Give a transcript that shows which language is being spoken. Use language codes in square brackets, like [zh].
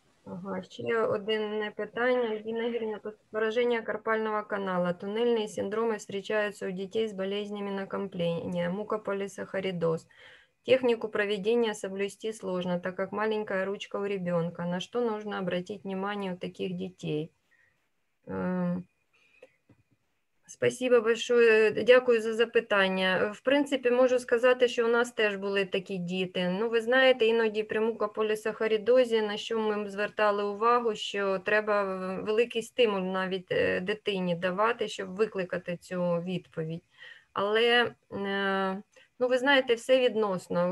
[uk] Ага, ще одне питання. Єдине гірне пораження карпального каналу. Тунельні синдроми зустрічаються у дітей з болезнями накоплення, мукополісахаридоз. [ru] Технику проведения соблюсти сложно, так как маленькая ручка у ребенка. На что нужно обратить внимание у таких детей? Спасибо большое, [uk] дякую за запитання. В принципі, можу сказати, що у нас теж були такі діти. Ну, ви знаєте, іноді при мукополісахаридозі, на що ми звертали увагу, що треба великий стимул навіть дитині давати, щоб викликати цю відповідь. Але ви знаєте, все відносно.